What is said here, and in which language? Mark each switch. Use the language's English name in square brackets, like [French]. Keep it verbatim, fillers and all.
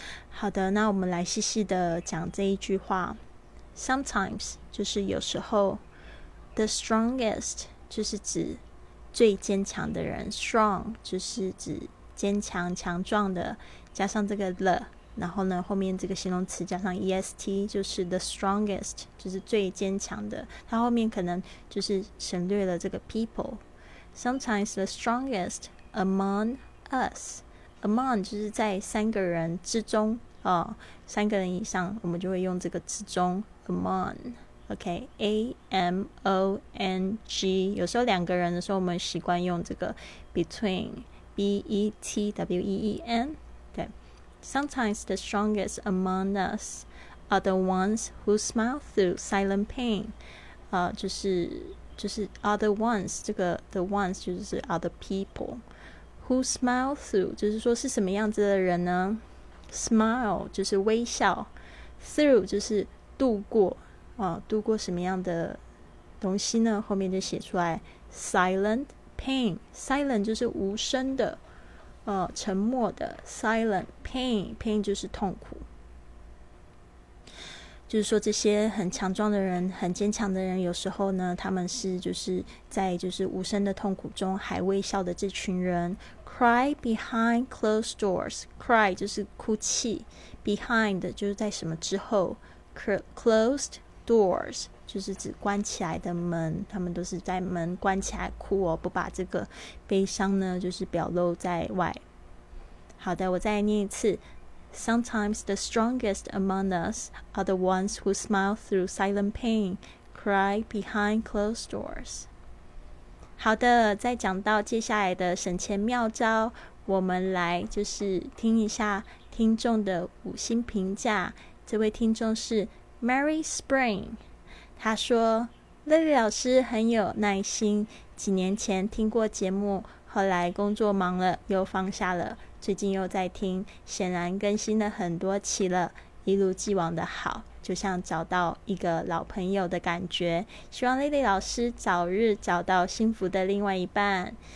[Chinese] 好的，那我们来细细的讲这一句话。Sometimes 就是有时候， The strongest 就是指最坚强的人， Strong 就是指坚强强壮的，加上这个 the， 然后呢后面这个形容词加上 est， 就是 the strongest 就是最坚强的，它后面可能就是省略了这个 people。 [English] Sometimes the strongest among us， [Chinese] among 就是在三个人之中、哦、三个人以上我们就会用这个之中 among， OK A M O N G。有时候两个人的时候我们习惯用这个 between B E T W E E N， 对。 [English] Sometimes the strongest among us are the ones who smile through silent pain、呃、就是就是 are the ones， 这个 the ones 就是 are the people Who smile through [Chinese] 就是说是什么样子的人呢？ Smile 就是微笑， Through 就是度过、啊、度过什么样的东西呢？后面就写出来 Silent pain， Silent 就是无声的、呃、沉默的 Silent pain， Pain 就是痛苦。就是说这些很强壮的人，很坚强的人，有时候呢他们是就是在就是无声的痛苦中还微笑的这群人。 [English] Cry behind closed doors， [Chinese] Cry 就是哭泣， Behind 就是在什么之后， Closed doors 就是指关起来的门，他们都是在门关起来哭哦，不把这个悲伤呢就是表露在外。好的，我再念一次。 [English] Sometimes the strongest among us are the ones who smile through silent pain, cry behind closed doors. [Chinese] 好的，再讲到接下来的省钱妙招，我们来就是听一下听众的五星评价。这位听众是 Mary Spring， 他说 Lily 老师很有耐心，几年前听过节目，后来工作忙了又放下了，最近又在听，显然更新了很多期了，一如既往的好，就像找到一个老朋友的感觉，希望 Lily 老师早日找到幸福的另外一半。